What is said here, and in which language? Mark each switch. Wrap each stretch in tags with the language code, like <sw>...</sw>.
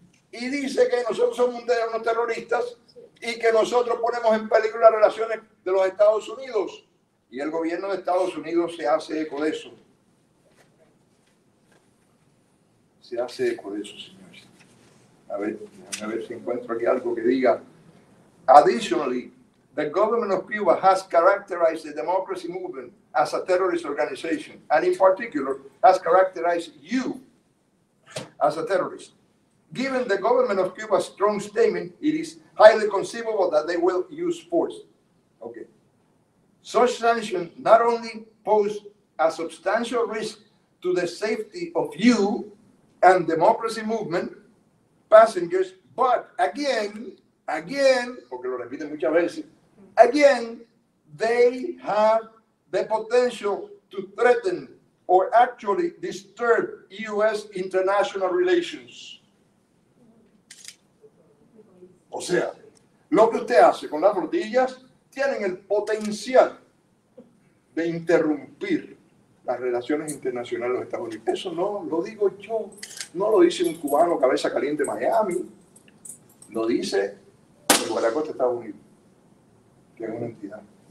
<es>y dice que nosotros somos unos terroristas y que nosotros ponemos en peligro las relaciones de los Estados Unidos y el gobierno de Estados Unidos se hace eco de eso, señores. A ver si encuentro aquí algo que diga.</es> <en>Additionally, the government of Cuba has characterized the democracy movement as a terrorist organization, and in particular, has characterized you as a terrorist. Given the government of Cuba's strong statement, it is highly conceivable that they will use force. Okay. Such sanctions not only pose a substantial risk to the safety of you and democracy movement passengers, but again,</en> <es>porque lo repiten muchas veces,</es> <en>again, they have the potential to threaten or actually disturb U.S. international relations.</en> <es>O sea, lo que usted hace con las flotillas tienen el potencial de interrumpir las relaciones internacionales de los Estados Unidos. Eso no lo digo yo, no lo dice un cubano cabeza caliente Miami, lo dice el guardacosta de Estados Unidos, que es una entidad.</es>